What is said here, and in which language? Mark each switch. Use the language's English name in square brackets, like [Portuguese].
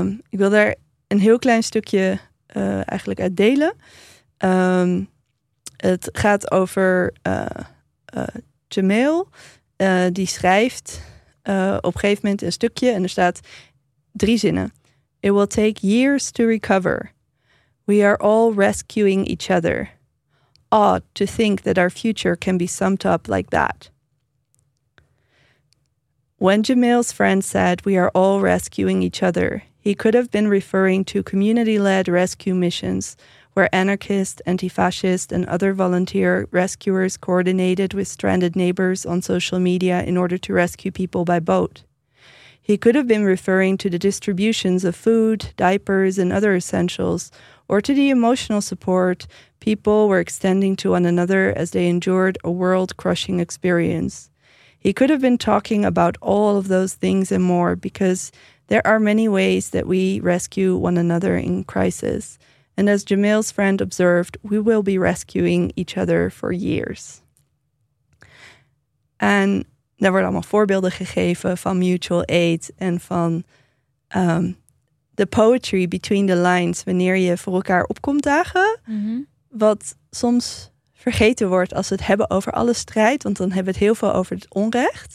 [Dutch] Ik wil daar een heel klein stukje eigenlijk uit delen. Het gaat over Jamil. Die schrijft op een gegeven moment een stukje en er staat 3 zinnen. [English] It will take years to recover. We are all rescuing each other. Odd to think that our future can be summed up like that. When Jamil's friend said we are all rescuing each other, he could have been referring to community-led rescue missions where anarchist, anti-fascist, and other volunteer rescuers coordinated with stranded neighbors on social media in order to rescue people by boat. He could have been referring to the distributions of food, diapers, and other essentials, or to the emotional support people were extending to one another as they endured a world-crushing experience. He could have been talking about all of those things and more, because there are many ways that we rescue one another in crisis. And as Jamil's friend observed, we will be rescuing each other for years. [Dutch] En daar worden allemaal voorbeelden gegeven van mutual aid en van de [English] poetry between the lines [Dutch] wanneer je voor elkaar opkomt dagen. Mm-hmm. Wat soms vergeten wordt als we het hebben over alle strijd, want dan hebben we het heel veel over het onrecht.